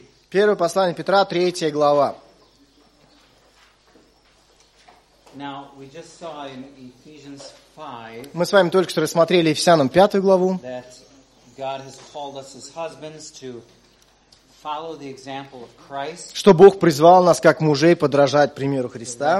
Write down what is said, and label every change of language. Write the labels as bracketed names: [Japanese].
[Russian] Первое послание Петра, 3 глава. [English] Now, we just saw in Ephesians 5, [Russian] мы с вами только что рассмотрели Ефесянам 5 главу, [English] that God has called us as husbands to follow the example of Christ, [Russian] что Бог призвал нас как мужей подражать примеру Христа,